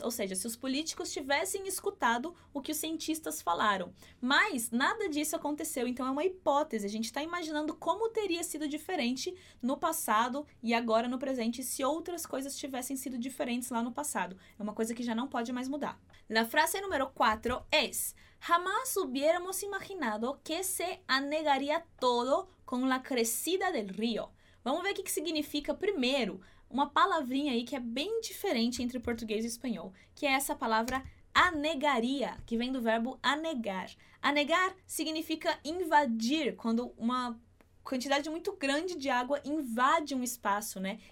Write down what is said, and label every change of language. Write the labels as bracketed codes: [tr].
[pt] Ou seja, se os políticos tivessem escutado o que os cientistas falaram. Mas nada disso aconteceu, então é uma hipótese. A gente está imaginando como teria sido diferente no passado e agora no presente se outras coisas tivessem sido diferentes lá no passado. É uma coisa que já não pode mais mudar. [es] La frase número 4 é: jamás hubiéramos imaginado que se anegaría todo con la crecida del río. [pt] Vamos ver o que, que significa primeiro uma palavrinha aí que é bem diferente entre português e espanhol, que é essa palavra anegaria, que vem do verbo anegar. Anegar significa invadir, quando uma quantidade muito grande de água invade um espaço, né?